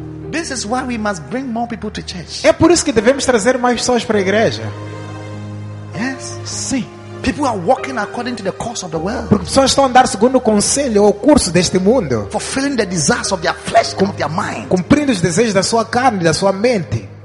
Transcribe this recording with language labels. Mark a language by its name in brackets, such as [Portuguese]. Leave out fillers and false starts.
[English] This is why we must bring more people to church. [Portuguese] É por isso que devemos trazer mais pessoas para a igreja. [English] Yes. [Portuguese] Sim. [English] People are walking according to the course of the world. [Portuguese] Porque pessoas estão a andar segundo o conselho ou o curso deste mundo. [English] Fulfilling the desires of their flesh and of their mind. [Portuguese] Cumprindo os desejos da sua carne e da sua mente.